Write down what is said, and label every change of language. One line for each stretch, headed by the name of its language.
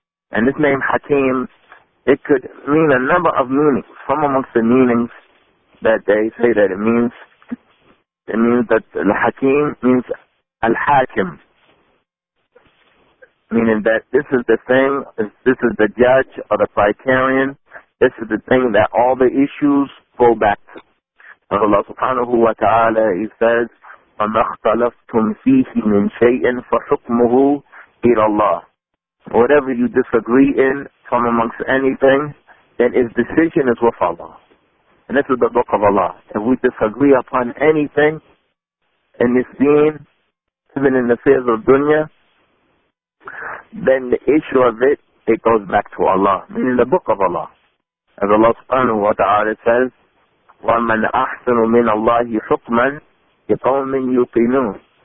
English: And this name Hakim, it could mean a number of meanings. From amongst the meanings that they say that it means It means that Al-Hakim means Al-Hakim, meaning that this is the thing, this is the judge or the criterion, this is the thing that all the issues go back to. And Allah subhanahu wa ta'ala, He says,
Arabic: وَمَا اخْتَلَفْتُمْ فِيهِ مِنْ شَيْءٍ فَحُكْمُهُ إِلَى اللَّهِ.
English: Whatever you disagree in from amongst anything, then His decision is with Allah. And this is the book of Allah. If we disagree upon anything in this deen, even in the affairs of dunya, then the issue of it goes back to Allah, meaning the book of Allah. As Allah subhanahu wa ta'ala says,
Arabic: وَمَنْ أَحْسَنُ مِنَ اللَّهِ حُكْمًا لِقَوْمٍ يُقِنُونَ.